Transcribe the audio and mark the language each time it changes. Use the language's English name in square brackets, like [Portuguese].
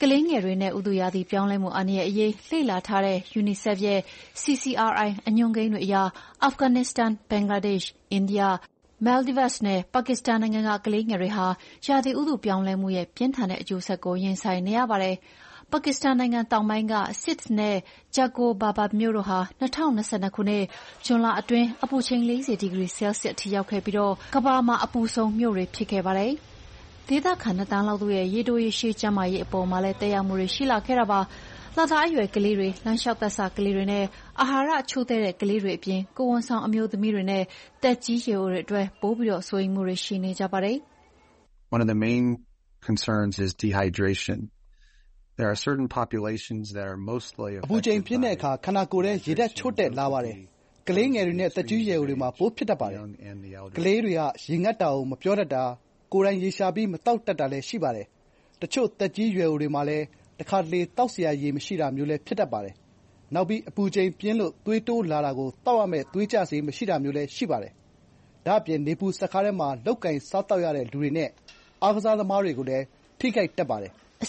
[Burmese] ကလေးငယ်တွေနဲ့ဥဒုရသည့်ပြောင်းလဲမှုအနေနဲ့အရေးလှိလာထားတဲ့ UNICEF ရဲ့ CCRI အညွန်ကိန်းတွေအရအာဖဂန်နစ္စတန်၊ဘင်္ဂလားဒေ့ရှ်၊အိန္ဒိယ၊မယ်လ်ဒီဗက်စ်နဲ့ပါကစ္စတန်နိုင်ငံကကလေးငယ်တွေဟာရာသီဥဒုပြောင်းလဲမှုရဲ့ပြင်းထန်တဲ့အကျိုးဆက်ကိုရင်ဆိုင်နေရပါတယ်ပါကစ္စတန်နိုင်ငံတောင်ပိုင်းကစစ်နဲ့ဂျက်ကိုဘာဘာမျိုးတို့ဟာ2022ခုနှစ်ဇွန်လအတွင်းအပူချိန်40ဒီဂရီဆဲလ်ဆီယပ်ထိရောက်ခဲ့ပြီးတော့ကမ္ဘာမှာအပူဆုံးမြို့တွေဖြစ်ခဲ့ပါတယ်။ ဒေသခံနှစ်တန်းလောက်သူရဲ့ရေတိုးရေရှည်ကျန်းမာရေးအပေါ်မှာလည်းတရားမှုတွေရှိလာခဲ့တာပါ။လသာအရွယ်ကလေးတွေ၊လမ်းလျှောက်သက်စာကလေးတွေနဲ့အာဟာရချို့တဲ့ကလေးတွေအပြင်ကိုဝန်ဆောင်အမျိုးသမီးတွေနဲ့တက်ကြီးရေတို့အတွက်ပိုးပြီးတော့စိုးရိမ်မှုတွေရှိနေကြပါတယ် [English] ။ One of the main concerns is dehydration. There are certain populations that are mostly [Burmese] အပူချိန်ဖြစ်တဲ့အခါခန္ဓာကိုယ်ရဲ့ရေဓာတ်ချို့တက်လာပါတယ်။ကလေးငယ်တွေနဲ့တကြီးရေတွေမှာပိုးဖြစ်တတ်ပါတယ်။ကလေးတွေကရေငတ်တာကိုမပြောတတ်တာ၊ကိုယ်တိုင်ရေရှာပြီးမတောက်တတ်တာလည်းရှိပါတယ်။တချို့တကြီးရေတွေမှာလည်းတစ်ခါလေတောက်စရာရေမရှိတာမျိုးလည်းဖြစ်တတ်ပါတယ်။နောက်ပြီးအပူချိန်ပြင်းလို့သွေးတိုးလာတာကိုတောက်ရမယ့်သွေးကျစရာမရှိတာမျိုးလည်းရှိပါတယ်။ဒါအပြင်နေပူစက်ကားထဲမှာလောက်ကင်စားတောက်ရတဲ့လူတွေနဲ့အာကစားသမားတွေကိုလည်းထိခိုက်တတ်ပါတယ်။